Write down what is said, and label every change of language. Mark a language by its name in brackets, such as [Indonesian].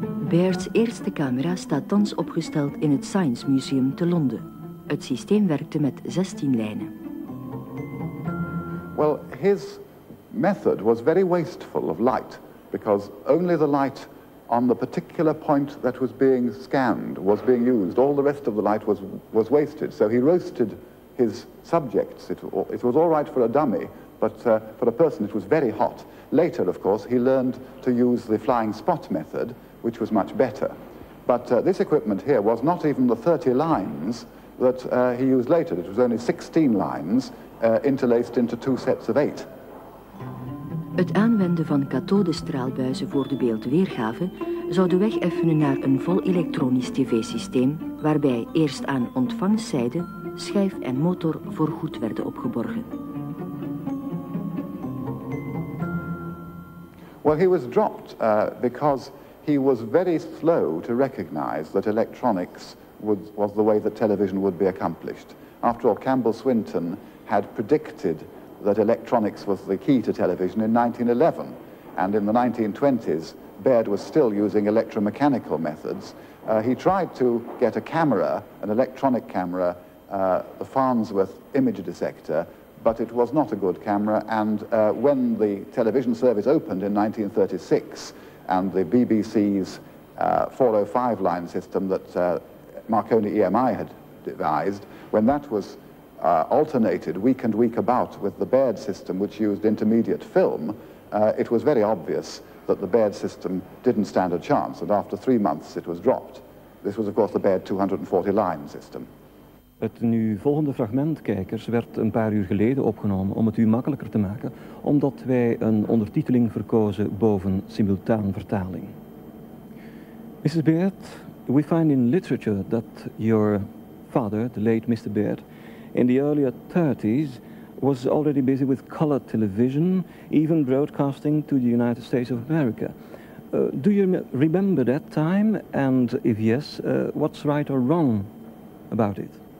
[Dutch] Baird's eerste camera staat thans opgesteld in het Science Museum te Londen. Het systeem werkte met 16 lijnen. [English] Well, his method was very wasteful of light, because only the light on the particular point that was being scanned was being used. All the rest of the light was wasted. So he roasted his subjects. It was all right for a dummy, but for a person it was very hot. Later, of course, he learned to use the flying spot method, which was much better. But this equipment here was not even the 30 lines that he used later. It was only 16 lines interlaced into two sets of eight. [Dutch] Het aanwenden van kathodestraalbuizen voor de beeldweergave zou de weg effenen naar een vol elektronisch tv-systeem waarbij eerst aan ontvangstzijde schijf en motor voorgoed werden opgeborgen. [English] Well, he was dropped because he was very slow to recognize that electronics was the way that television would be accomplished. After all, Campbell Swinton had predicted that electronics was the key to television in 1911. And in the 1920s, Baird was still using electromechanical methods. He tried to get a camera, an electronic camera, the Farnsworth image dissector, but it was not a good camera. And when the television service opened in 1936, and the BBC's 405 line system that Marconi EMI had devised, when that was alternated week and week about with the Baird system, which used intermediate film, it was very obvious that the Baird system didn't stand a chance, and after 3 months it was dropped. This was of course the Baird 240 line system. [Dutch] Het nu volgende fragment, kijkers, werd een paar uur geleden opgenomen om het u makkelijker te maken, omdat wij een ondertiteling verkozen boven simultaan vertaling. [English] Mrs. Baird, we find in literature that your father, the late Mr. Baird, in the earlier 30s, was already busy with color television, even broadcasting to the United States of America. Do you remember that time? And if yes, what's right or wrong about it?